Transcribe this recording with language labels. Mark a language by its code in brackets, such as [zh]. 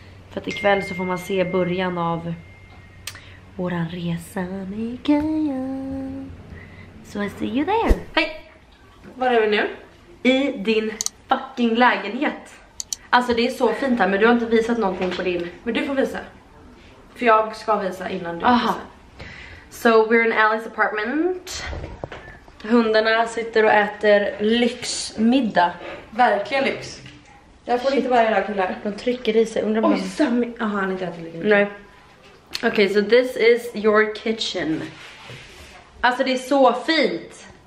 [sv] För att ikväll så får man se början av våran resa med Kaja. [en] So I see you there. [sv] Hej! Var är vi nu? I din fucking lägenhet. Alltså det är så fint här, men du har inte visat någonting på din. Men du får visa. För jag ska visa innan du visar. [en] So we're in Alice's apartment. [sv] Hundarna sitter och äter lyxmiddag. Verkligen lyx. Jag får inte vara i det här. De trycker i sig. Undrar om Jaha, han inte äter lika mycket. Nej. Okej, [en] so this is your kitchen. [sv] Alltså det är så fint.